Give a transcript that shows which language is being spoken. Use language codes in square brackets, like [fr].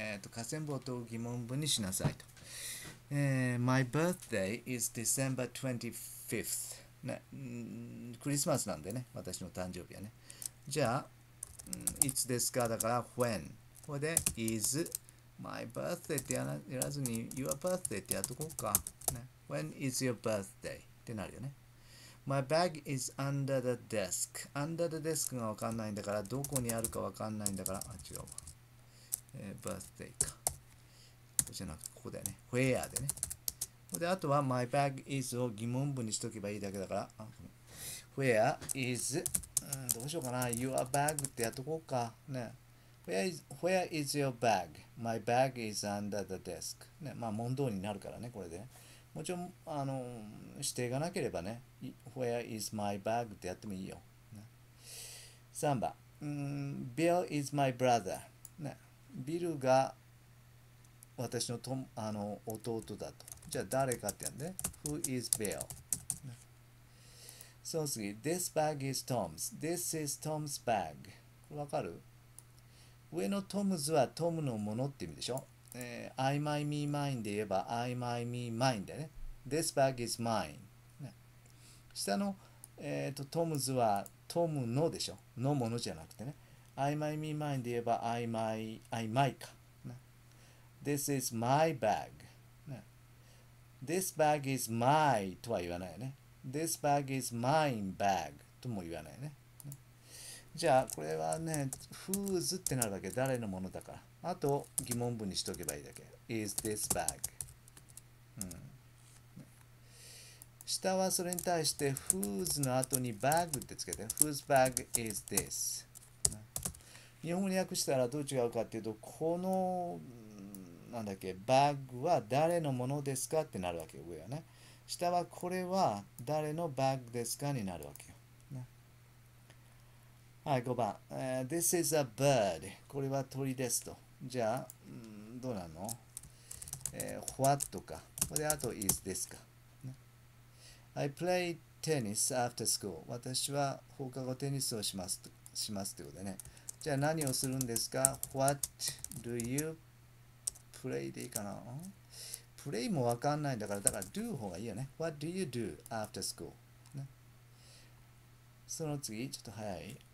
[ja] 下線棒と疑問文にしなさいと。 [en] My birthday is December 25th、ね。 [ja] クリスマスなんでね、私の誕生日はね。じゃあ、いつですか？だから、when。これで、 [en] is my birthday [ja] ってやらずに、 [en] your birthday [ja] ってやっとこうか、ね。 [en] when is your birthday [ja] ってなるよね。 [en] My bag is under the desk。 under the desk [ja] がわかんないんだから、どこにあるかわかんないんだから、あ、違うわ。 birthday か。ここじゃなくて、ここだよね。 where でね。で、あとは、 [en] my bag is [ja] を疑問文にしとけばいいだけだから、あ、 [en] where is、 [ja] どうしようかな。 [en] your bag [ja] ってやっとこうか。 [en] ね。where is your bag? My bag is under the desk。 ね。 [ja] まあ、問答になるからね、これで、ね。もちろん、指定がなければね、 [en] Where is my bag? [ja] ってやってもいいよ。3番、 [en] Bill is my brother。 [ja] ね、ビルが私のと、弟だと。じゃあ誰かってやんで、ね。 [en] Who is Bill?、 [ja] ね、そう次、 [en] This bag is Tom's。 This is Tom's bag。 [ja] わかる？上の Tom's は Tom のものって意味でしょ。 [en] I my me mine [ja] で言えば [en] I my me mine [ja] だよね。 [en] This bag is mine、ね。 [ja] 下の、トムズはトムのでしょ。のものじゃなくてね。 [en] I my me mine [ja] で言えば [en] I my か、This is my bag、This bag is my [ja] とは言わないよね。 [en] This bag is mine bag [ja] とも言わないよね。じゃあ、これはね、whose ってなるわけ。誰のものだから。あと、疑問文にしとけばいいだけ。 [en] Is this bag? [ja] 下はそれに対して、whose の後に bag ってつけて、 [en] whose bag is this?、 [ja] 日本語に訳したらどう違うかっていうと、この、なんだっけ、bag は誰のものですかってなるわけよ、上はね。下は、これは誰の bag ですかになるわけよ。はい、5番。 [en] This is a bird。 [ja] これは鳥ですと。じゃあ、どうなの？what とか。これであと、 [en] is this [ja] か。 [en] I play tennis after school。 [ja] 私は放課後テニスをしますってことでね。じゃあ何をするんですか ? [en] What do you play [ja] でいいかな ?play もわかんないんだから、だから do 方がいいよね。 [en] What do you do after school?、 [ja] その次、ちょっと早い。